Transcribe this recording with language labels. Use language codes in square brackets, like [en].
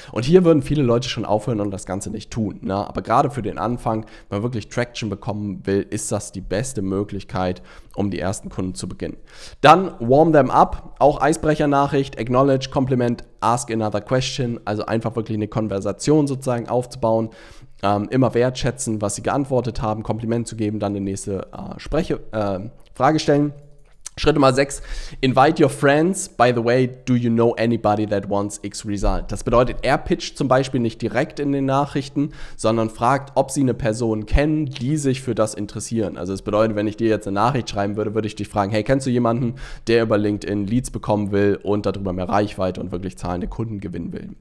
[de] Und hier würden viele Leute schon aufhören und das Ganze nicht tun. Ne? Aber gerade für den Anfang, wenn man wirklich Traction bekommen will, ist das die beste Möglichkeit, um die ersten Kunden zu beginnen. Dann [en] warm them up, [de] auch Eisbrecher-Nachricht, [en] acknowledge, compliment, ask another question, [de] also einfach wirklich eine Konversation sozusagen aufzubauen, immer wertschätzen, was sie geantwortet haben, Kompliment zu geben, dann die nächste Frage stellen. Schritt Nummer 6, [en] invite your friends, by the way, do you know anybody that wants X result? [de] Das bedeutet, er pitcht zum Beispiel nicht direkt in den Nachrichten, sondern fragt, ob sie eine Person kennen, die sich für das interessieren. Also das bedeutet, wenn ich dir jetzt eine Nachricht schreiben würde, würde ich dich fragen, hey, kennst du jemanden, der über LinkedIn Leads bekommen will und darüber mehr Reichweite und wirklich zahlende Kunden gewinnen will?